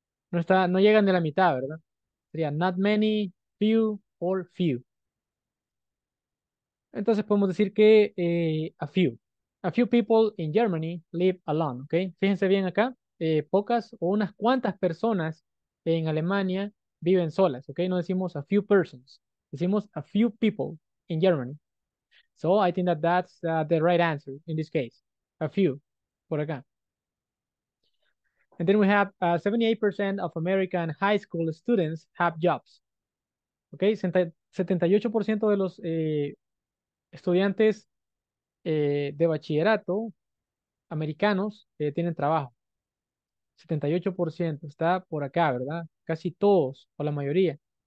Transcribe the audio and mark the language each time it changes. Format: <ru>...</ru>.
<es>No está, no llegan de la mitad, ¿verdad? Sería</es> <en>not many, few, or few.</en> <es>Entonces podemos decir que</es> <en>a few people in Germany live alone.</en> <es>Okay, fíjense bien acá, pocas o unas cuantas personas en Alemania viven solas, ¿ok? No decimos</es> <en>a few persons,</en> <es>decimos</es> <en>a few people in Germany. So I think that that's the right answer in this case. A few,</en> <es>por acá.</es> <en>And then we have 78% of American high school students have jobs. ¿Ok?</en> <es>78% de los estudiantes de bachillerato americanos tienen trabajo. 78% está por acá, ¿verdad? Casi todos, o la mayoría.</es>